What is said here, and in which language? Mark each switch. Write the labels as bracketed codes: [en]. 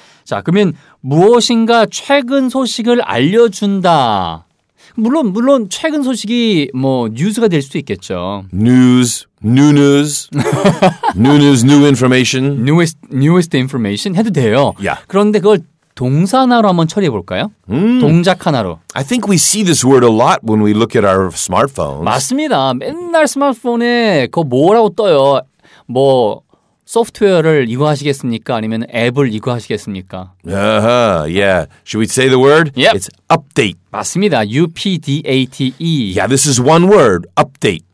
[ko] 자, 그러면 무엇인가 최근 소식을 알려준다. 물론 최근 소식이 뭐 뉴스가 될 수도 있겠죠. [en] News, new news, new news, new information. Newest information [ko] 해도 돼요. [en] Yeah. [ko] 그런데 그걸 동사 하나로 한번 처리해 볼까요? 동작 하나로. [en] I think we see this word a lot when we look at our smartphones. [ko] 맞습니다. 맨날 스마트폰에 그거 뭐라고 떠요? 뭐 소프트웨어를 이거 하시겠습니까? 아니면 앱을 이거 하시겠습니까? [en] Yeah. Should we say the word? Yep. It's update. [ko] 맞습니다. UPDATE. [en] Yeah, this is one word. Update.